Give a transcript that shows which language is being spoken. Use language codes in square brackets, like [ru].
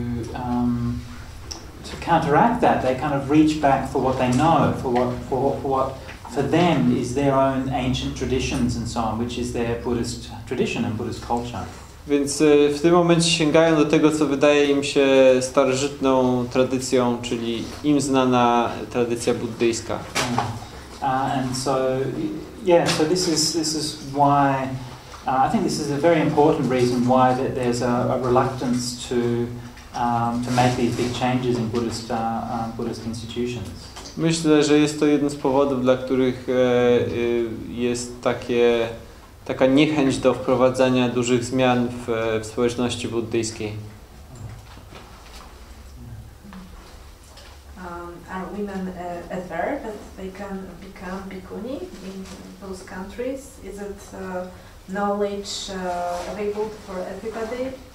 [en] So to counteract that, they kind of reach back for what they know, for what for them is their own ancient traditions and so on, which is their Buddhist tradition and Buddhist culture. [pl] Więc w tym momencie sięgają do tego, co wydaje im się starożytną tradycją, czyli im znana tradycja buddyjska. [en] And so this is why. I think this is a very important reason why that there's a reluctance to make these big changes in Buddhist institutions. [pl] Myślę, że jest to jeden z powodów, dla których jest taka niechęć do wprowadzania dużych zmian w społeczności buddyjskiej. [en] Are women aware that they can become bhikkhuni in those countries? Is it knowledge available for everybody?